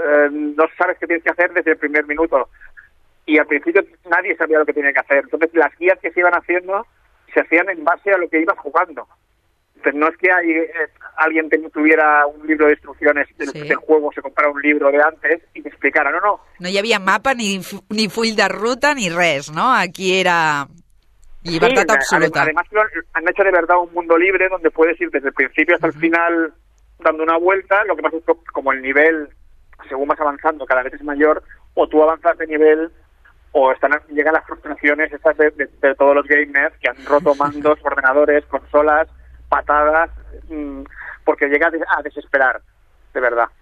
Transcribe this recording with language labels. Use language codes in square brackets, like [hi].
[es] No sabes qué tienes que hacer desde el primer minuto. Y al principio nadie sabía lo que tenía que hacer. Entonces las guías que se iban haciendo se hacían en base a lo que ibas jugando. No es que alguien tuviera un libro de instrucciones del juego, se comprara un libro de antes y te explicara, no. [ca] No hi havia mapa ni full de ruta ni res, no? Aquí era llibertat absoluta. [es] Además han hecho de verdad un mundo libre donde puedes ir desde el principio hasta el final dando una vuelta. Lo que pasa es que como el nivel, según vas avanzando, cada vez es mayor, o tú avanzas de nivel... llegan las frustraciones esas de todos los gamers que han roto mandos, ordenadores, consolas, patadas, porque llega a desesperar, de verdad.